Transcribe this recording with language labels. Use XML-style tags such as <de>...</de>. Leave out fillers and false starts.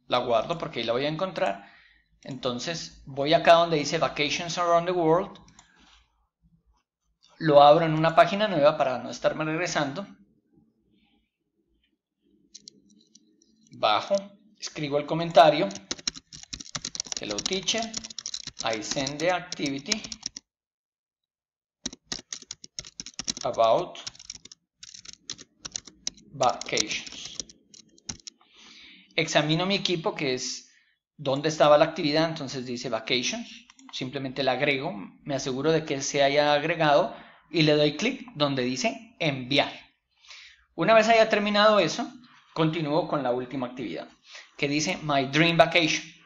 <es>La guardo porque ahí la voy a encontrar. Entonces voy acá donde dice Vacations Around the World. Lo abro en una página nueva para no estarme regresando. Bajo, escribo el comentario.</es> <en>Hello teacher, I send the activity about vacations.</en> <es>Examino mi equipo, que es dónde estaba la actividad, entonces dice vacations. Simplemente la agrego, me aseguro de que se haya agregado y le doy clic donde dice enviar. Una vez haya terminado eso, continúo con la última actividad, que dice My Dream Vacation.</es>